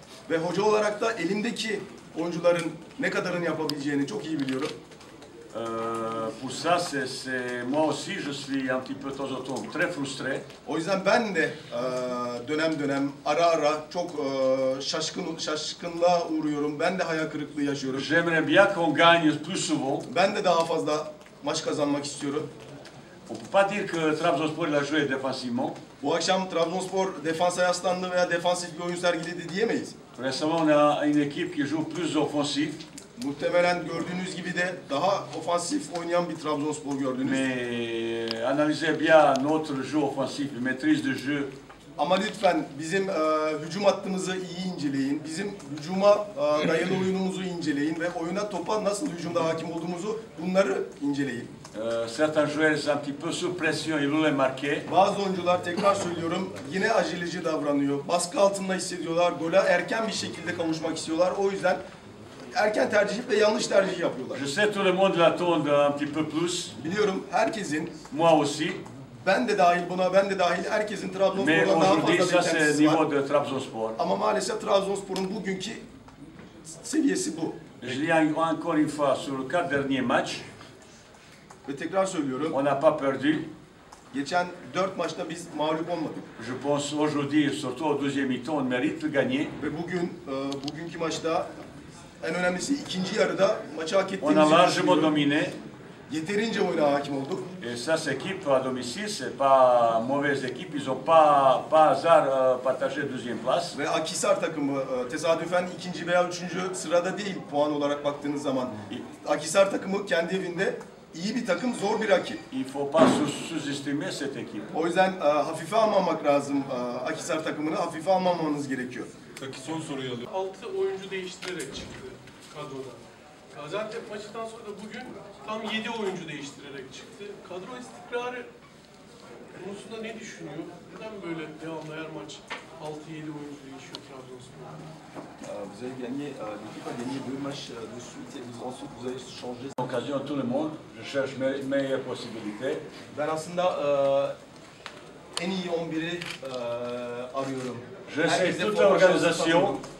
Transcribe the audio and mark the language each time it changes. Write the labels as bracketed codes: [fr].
[tr] Ve hoca olarak da elimdeki oyuncuların ne kadarını yapabileceğini çok iyi biliyorum. [fr] Pour ça c'est moi aussi je suis un petit peu temps en temps très frustré. [tr] O yüzden ben de dönem dönem ara ara çok şaşkınlığa uğruyorum. Ben de hayal kırıklığı yaşıyorum. [fr] J'aimerais bien qu'on gagne plus souvent. [tr] Ben de daha fazla maç kazanmak istiyorum. [fr] On peut pas dire que Trabzonspor l'a joué défensivement. [tr] Bu akşam Trabzonspor defansa yaslandı veya defansif bir oyun sergiledi diyemeyiz. [fr] Récemment on a une équipe qui joue plus offensif. [tr] Muhtemelen gördüğünüz gibi de daha ofansif oynayan bir Trabzonspor gördünüz. [fr] Analyse bien notre jeu offensif, maîtrise de jeu. [tr] Ama lütfen bizim hücum hattımızı iyi inceleyin. Bizim hücuma dayalı oyunumuzu inceleyin ve oyuna topa nasıl hücumda hakim olduğumuzu bunları inceleyin. [fr] Certains joueurs un petit peu sous pression, ils veulent marquer. [tr] Bazı oyuncular tekrar söylüyorum yine aceleci davranıyor. Baskı altında hissediyorlar. Gole erken bir şekilde kavuşmak istiyorlar. O yüzden erken tercih ve yanlış tercih yapıyorlar. [fr] Je sais tout le monde l'attend un petit peu plus. [tr] Biliyorum herkesin. [fr] Moi aussi. [tr] Ben de dahil buna, ben de dahil herkesin Trabzonspor'da daha fazla beklentisi var. [fr] De Trabzonspor. [tr] Ama maalesef Trabzonspor'un bugünkü seviyesi bu. [fr] Julien encore une fois sur le quatre derniers match. [tr] Ve tekrar söylüyorum. [fr] On n'a pas perdu. [tr] Geçen 4 maçta biz mağlup olmadık. [fr] Je pense aujourd'hui surtout au deuxième mi-temps on mérite de gagner. [tr] Ve bugün bugünkü maçta en önemlisi ikinci yarıda maçı hak ettiğimizi düşünüyorum. [fr] On a largement dominé. [tr] Yeterince oyuna hakim olduk. [fr] Ça c'est équipe à domicile, c'est pas mauvaise équipe, ils ont pas hasard partagé deuxième place. [tr] Ve Akhisar takımı tesadüfen ikinci veya üçüncü sırada değil puan olarak baktığınız zaman. Akhisar takımı kendi evinde iyi bir takım, zor bir rakip. [fr] Il faut pas sous-estimer cette équipe. [tr] O yüzden hafife almamak lazım Akhisar takımını, hafife almamanız gerekiyor. Peki son soruyu alıyorum. 6 oyuncu değiştirerek çıktı kadrodan. Gaziantep maçından sonra da bugün tam 7 oyuncu değiştirerek çıktı. Kadro istikrarı konusunda ne düşünüyor? Neden böyle devamlı her maç 6-7 oyuncu değişiyor Trabzonspor'da? [fr] Vous avez gagné l'équipe a gagné deux matchs de suite et ensuite vous avez changé. Occasion tout le monde, je cherche meilleure possibilité. [tr] Ben aslında en iyi 11'i arıyorum. [fr] Je sais toute l'organisation.